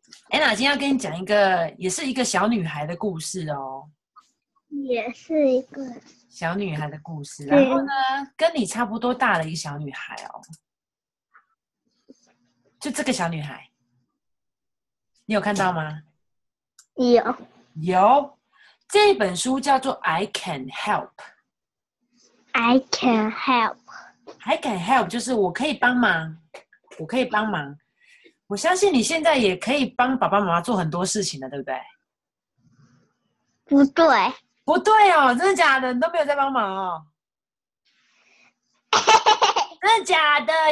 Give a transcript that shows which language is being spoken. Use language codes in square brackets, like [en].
[zh] Anna 今天要跟你讲一个，也是一个小女孩的故事哦。也是一个，小女孩的故事，然后对，呢，跟你差不多大的一个小女孩哦，就这个小女孩，你有看到吗？有。有。这本书叫做《I Can Help [en] I can help. 》， I can help [zh] 就是我可以帮忙，我可以帮忙。我相信你现在也可以帮爸爸妈妈做很多事情了，对不对？不对。不对哦，真的假的？你都没有在帮忙哦，真的假的？